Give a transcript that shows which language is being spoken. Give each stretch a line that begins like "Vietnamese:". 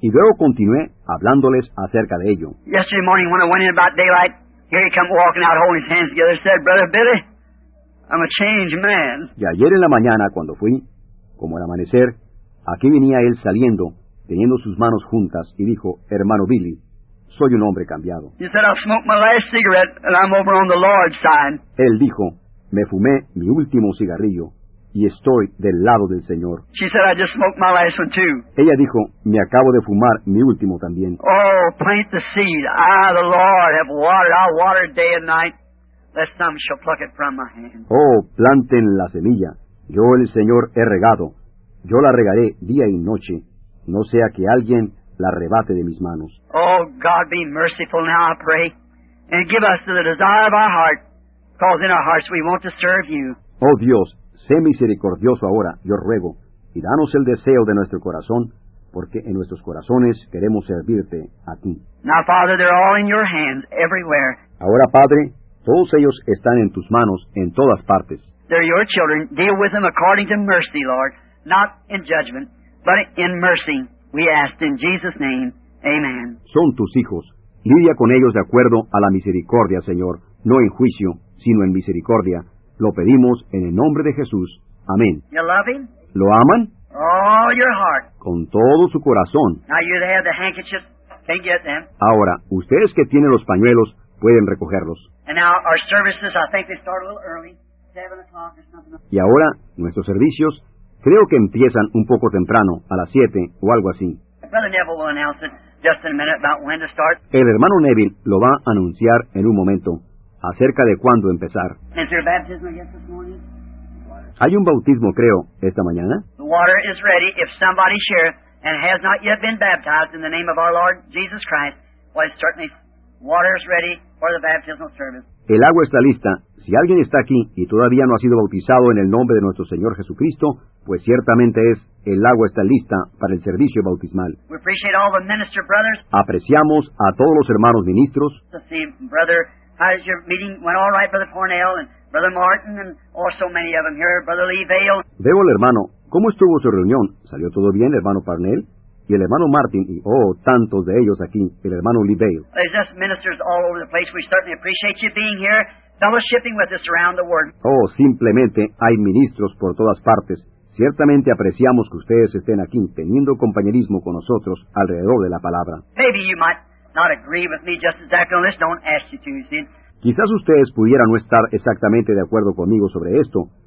Spanish: Y luego continué hablándoles acerca de ello.
English: Yesterday morning, when I went in about daylight, here he come walking out, holding his hands together, said, "Brother Billy, I'm a changed man."
Spanish: Y ayer en la mañana, cuando fui, como al amanecer, aquí venía él saliendo, teniendo sus manos juntas, y dijo, "Hermano Billy, soy un hombre cambiado."
English: He said, "I'll smoke my last cigarette, and I'm over on the Lord's side."
Spanish: Él dijo, "Me fumé mi último cigarrillo, y estoy del lado del Señor."
English: She said, "I just smoked my last one too."
Spanish: Ella dijo, "Me acabo de fumar mi último también."
English: Oh, plant the seed. Ah, the Lord have watered. I'll water it day and night, lest some shall pluck it from my hand.
Spanish: Oh, planten la semilla. Yo el Señor he regado. Yo la regaré día y noche, no sea que alguien la arrebate de mis manos.
English: Oh, God, be merciful now, I pray, and give us the desire of our heart, because in our hearts we want to serve you.
Spanish: Oh, Dios, sé misericordioso ahora, yo ruego, y danos el deseo de nuestro corazón, porque en nuestros corazones queremos servirte a ti.
English: Now, Father, they're all in your hands, everywhere.
Spanish: Ahora, Padre, todos ellos están en tus manos, en todas partes.
English: They're your children. Deal with them according to mercy, Lord, not in judgment, but in mercy. We ask in Jesus' name, amen.
Spanish: Son tus hijos. Lidia con ellos de acuerdo a la misericordia, Señor, no en juicio, sino en misericordia. Lo pedimos en el nombre de Jesús. Amén.
English: You love him?
Spanish: ¿Lo aman?
English: All your heart.
Spanish: Con todo su corazón.
English: Now you that have the handkerchiefs, can get them.
Spanish: Ahora, ustedes que tienen los pañuelos, pueden recogerlos.
English: And now our services, I think they start a little early. 7 o'clock or something.
Spanish: Y ahora, nuestros servicios, creo que empiezan un poco temprano, a las 7 o algo así.
English: Brother Neville will announce it just in a minute about when to start.
Spanish: El hermano Neville lo va a anunciar en un momento. Acerca de cuándo empezar.
English: Is there a baptism yet this morning?
Spanish: ¿Hay un bautismo, creo, esta mañana?
English: The water is ready. If somebody shares and has not yet been baptized in the name of our Lord Jesus Christ, well, certainly water is ready for the baptismal service.
Spanish: El agua está lista. Si alguien está aquí y todavía no ha sido bautizado en el nombre de nuestro Señor Jesucristo, pues ciertamente es, el agua está lista para el servicio bautismal.
English: We appreciate all the minister brothers.
Spanish: Apreciamos a todos los hermanos ministros.
English: How's your meeting? Went all right, Brother Cornell and Brother Martin and also many of them here, Brother Lee Vale.
Spanish: Veo al hermano. ¿Cómo estuvo su reunión? ¿Salió todo bien, hermano Parnell? Y el hermano Martin y, oh, tantos de ellos aquí, el hermano Lee Vale.
English: There's just ministers all over the place. We certainly appreciate you being here, fellowshipping with us around the world.
Spanish: Oh, simplemente hay ministros por todas partes. Ciertamente apreciamos que ustedes estén aquí, teniendo compañerismo con nosotros alrededor de la palabra.
English: Maybe you might not agree with me just exactly on this. Don't ask you to, you see.
Spanish: Quizás ustedes pudieran no estar exactamente de acuerdo conmigo sobre esto.